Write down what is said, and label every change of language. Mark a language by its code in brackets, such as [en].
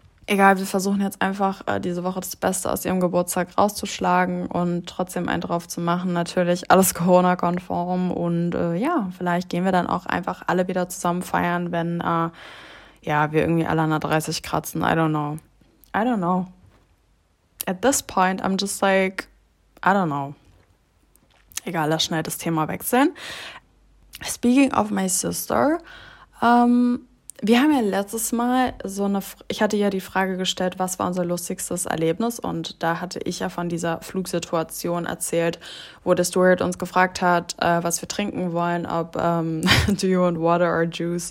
[de] Egal, wir versuchen jetzt einfach, diese Woche das Beste aus ihrem Geburtstag rauszuschlagen und trotzdem einen drauf zu machen. Natürlich alles Corona-konform und ja, vielleicht gehen wir dann auch einfach alle wieder zusammen feiern, wenn ja, wir irgendwie alle an der 30 kratzen. [en] I don't know. I don't know. At this point, I'm just like, I don't know. [de] Egal, lass schnell das Thema wechseln. [en] Speaking of my sister, [de] wir haben ja letztes Mal so eine, ich hatte ja die Frage gestellt, was war unser lustigstes Erlebnis? Und da hatte ich ja von dieser Flugsituation erzählt, wo der Steward uns gefragt hat, was wir trinken wollen, ob [en] do you want water or juice?